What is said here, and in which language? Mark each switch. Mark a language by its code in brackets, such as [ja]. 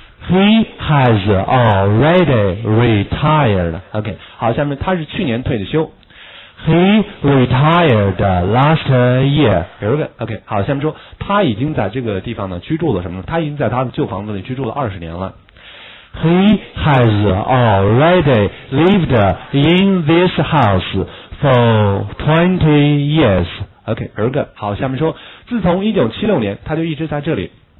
[en] He has already retired. [zh] OK, 好，下面他是去年退的休。 [en] He retired last year. [zh] 有一个 ,OK, 好，下面说他已经在这个地方呢居住了什么呢，他已经在他的旧房子里居住了20年了。 [en] He has already lived in this house for 20 years. [zh] OK, 儿个，好，下面说，自从1976年，他就一直在这里。